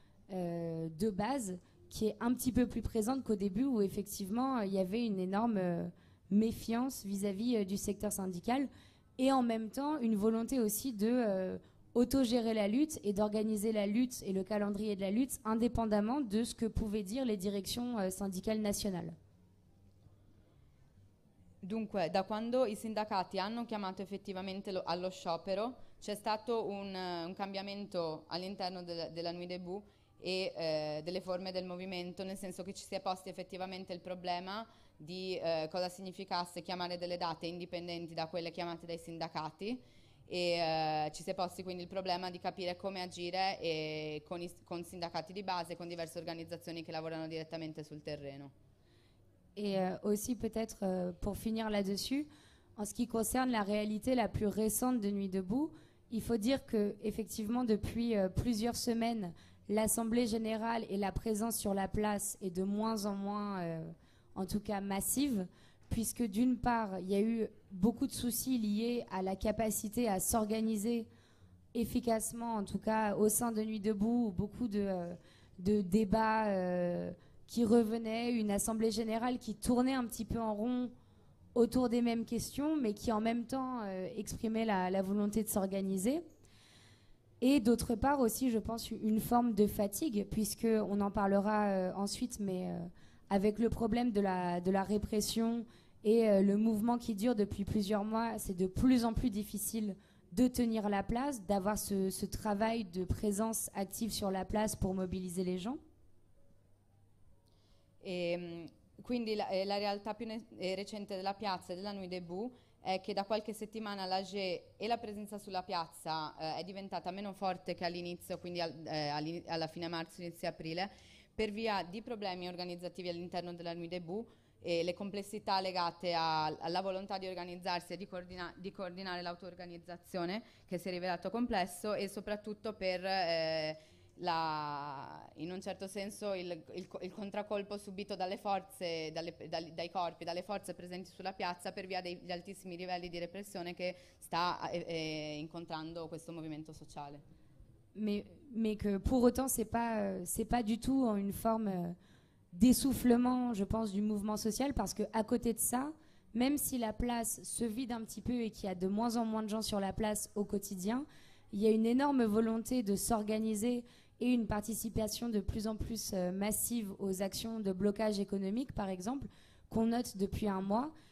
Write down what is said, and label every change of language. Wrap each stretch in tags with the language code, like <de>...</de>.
<fr>de base, qui est un petit peu plus présente qu'au début où effectivement il y avait une énorme méfiance vis-à-vis du secteur syndical, et en même temps une volonté aussi de autogérer la lutte et d'organiser la lutte et le calendrier de la lutte indépendamment de ce que pouvaient dire les directions syndicales nationales.</fr> <it>Dunque, da quando i sindacati hanno chiamato effettivamente allo sciopero, c'è stato un cambiamento all'interno della Nuit Debout e delle forme del movimento, nel senso che ci si è posti effettivamente il problema di cosa significasse chiamare delle date indipendenti da quelle chiamate dai sindacati. E ci si è posti quindi il problema di capire come agire e con sindacati di base, con diverse organizzazioni che lavorano direttamente sul terreno.</it> <fr>Et aussi peut-être pour finir là-dessus, en ce qui concerne la réalité la plus récente de Nuit Debout, il faut dire que effectivement depuis plusieurs semaines, l'Assemblée générale et la présence sur la place est de moins en moins, en tout cas massive, puisque d'une part, il y a eu beaucoup de soucis liés à la capacité à s'organiser efficacement, en tout cas au sein de Nuit Debout, beaucoup de débats. Qui revenait, une assemblée générale qui tournait un petit peu en rond autour des mêmes questions, mais qui en même temps exprimait la volonté de s'organiser. Et d'autre part aussi, je pense, une forme de fatigue, puisqu'on en parlera ensuite, mais avec le problème de la répression et le mouvement qui dure depuis plusieurs mois, c'est de plus en plus difficile de tenir la place, d'avoir ce travail de présence active sur la place pour mobiliser les gens.</fr> <it>E quindi la realtà più recente della piazza e della Nuit Debout è che da qualche settimana l'AG e la presenza sulla piazza è diventata meno forte che all'inizio, quindi alla fine marzo, inizio aprile, per via di problemi organizzativi all'interno della Nuit Debout e le complessità legate alla volontà di organizzarsi e di coordinare l'auto-organizzazione che si è rivelato complesso e soprattutto per. In un certo senso il contraccolpo subito dalle forze, dai corpi, dalle forze presenti sulla piazza per via degli altissimi livelli di repressione che sta incontrando questo movimento sociale.</it> <fr>Mais que pour autant, c'est pas du tout une forme d'essoufflement, je pense, du mouvement social, parce que à côté de ça, même si la place se vide un petit peu et qu'il y a de moins en moins de gens sur la place au quotidien, il y a une énorme volonté de s'organiser et une participation de plus en plus massive aux actions de blocage économique, par exemple, qu'on note depuis un mois.</fr>